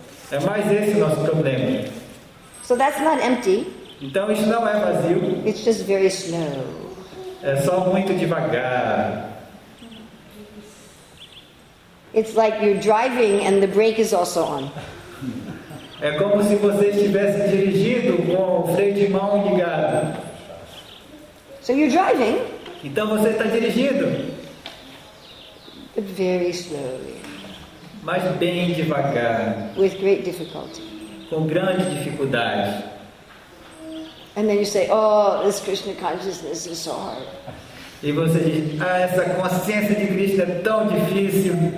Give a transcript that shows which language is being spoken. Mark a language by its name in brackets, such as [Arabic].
[Portuguese] É mais esse o nosso problema. [English] So that's not empty. [Portuguese] Então isso não é vazio. [English] It's just very slow. [Portuguese] É só muito devagar. [English] It's like you're driving and the brake is also on. [Portuguese] É como se você estivesse dirigindo com o freio de mão ligado. [English] So you're driving. [Portuguese] Então você está dirigindo. [English] But very slowly. [Portuguese] Mas bem devagar. [English] With great difficulty. [Portuguese] Com grande dificuldade. [English] And then you say, oh, this Krishna consciousness is so hard. [Portuguese] E você diz, ah, essa consciência de Krishna é tão difícil.